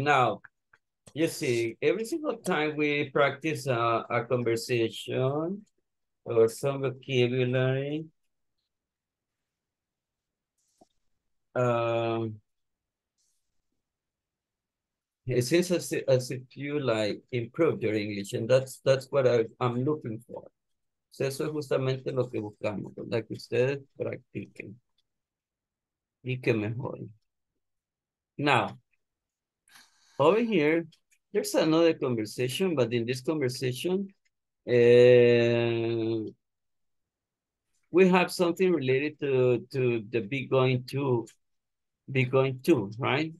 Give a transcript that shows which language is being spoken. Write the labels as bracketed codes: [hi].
[en] Now, you see, every single time we practice a conversation or some vocabulary, it seems as if you like improve your English, and that's what I'm looking for. [es] So eso es justamente lo que buscamos, like ustedes practiquen y que mejoren. [en] Now, over here, there's another conversation, but in this conversation, we have something related to the be going to, right?